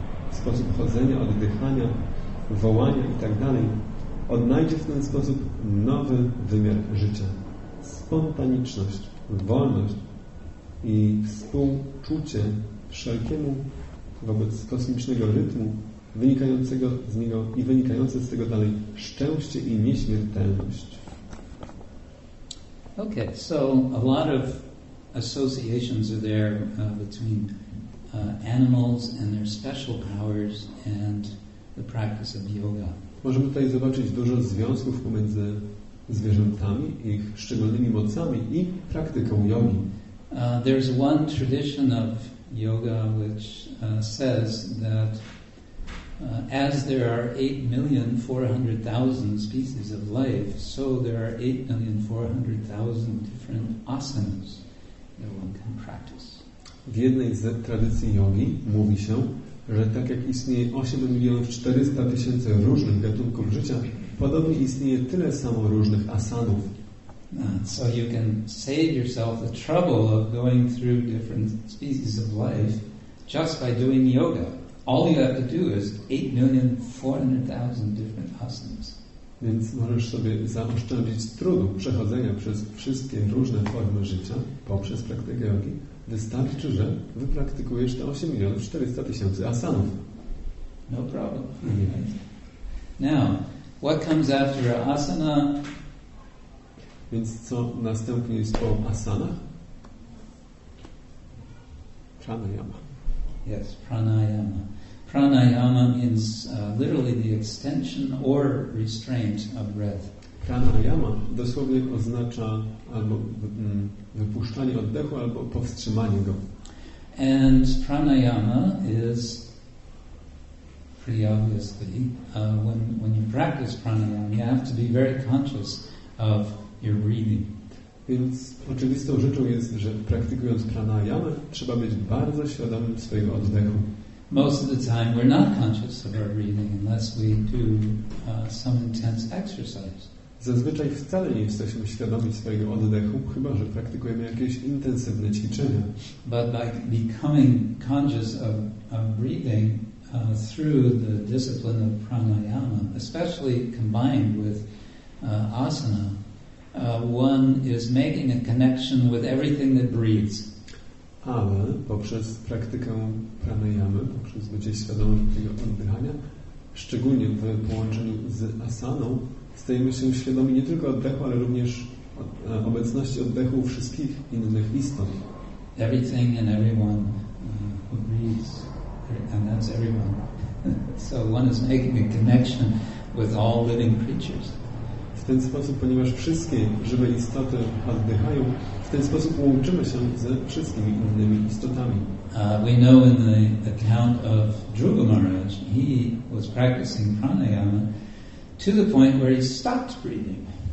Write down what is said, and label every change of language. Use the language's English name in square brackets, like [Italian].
[Polish] sposób chodzenia, oddychania, wołania itd., odnajdzie w ten sposób nowy wymiar życia, spontaniczność, wolność i współczucie wszelkiemu wobec kosmicznego rytmu wynikającego z niego i wynikające z tego dalej szczęście i nieśmiertelność. [English] Okay, so a lot of associations are there between animals and their special powers and the practice of yoga. [Polish] Możemy tutaj zobaczyć dużo związków pomiędzy zwierzętami, ich szczególnymi mocami i praktyką jogi. [English] There's one tradition of yoga which says that as there are 8,400,000 species of life, so there are 8,400,000 different asanas that one can practice. [Polish] W jednej z tradycji jogi mówi się, że tak jak istnieje 8,400,000 różnych gatunków życia, podobnie istnieje tyle samo różnych asanów. [English] So you can save yourself the trouble of going through different species of life just by doing yoga. All you have to do is 8,400,000 different asanas. [Polish] Więc możesz sobie zaoszczędzić trudu przechodzenia przez wszystkie różne formy życia poprzez praktykę jogi. Wystarczy, że wypraktykujesz te 8,400,000 asanów. [English] No problem. Right. Now, what comes after asana? [Polish] Więc co następnie jest po asanach? [English] Pranayama. Yes, pranayama. Pranayama means literally the extension or restraint of breath. [Polish] Pranayama dosłownie oznacza albo wypuszczanie oddechu, albo powstrzymanie go. [English] And pranayama is pretty obviously when you practice pranayama, you have to be very conscious of your breathing. [Polish] Więc oczywistą rzeczą jest, że praktykując pranayama, trzeba być bardzo świadomym swojego oddechu. [English] Most of the time we're not conscious of our breathing unless we do some intense exercise. [Polish] Zazwyczaj wcale nie jesteśmy świadomi swojego oddechu, chyba że praktykujemy jakieś intensywne ćwiczenia. [English] But by becoming conscious of breathing through the discipline of pranayama, especially combined with asana, one is making a connection with everything that breathes. [Polish] Ale poprzez praktykę pranayamy, poprzez bycie świadomym tego oddychania, szczególnie w połączeniu z asaną, stajemy się świadomi nie tylko oddechu, ale również obecności oddechu wszystkich innych istot. [English] Everything and everyone who breathes, and that's everyone. So one is making a connection with all living creatures. [Polish] W ten sposób, ponieważ wszystkie żywe istoty oddychają, w ten sposób łączymy się ze wszystkimi innymi istotami. [English] We know in the account of Dhruva Maharaj, he was practicing pranayama to the point where he stopped breathing.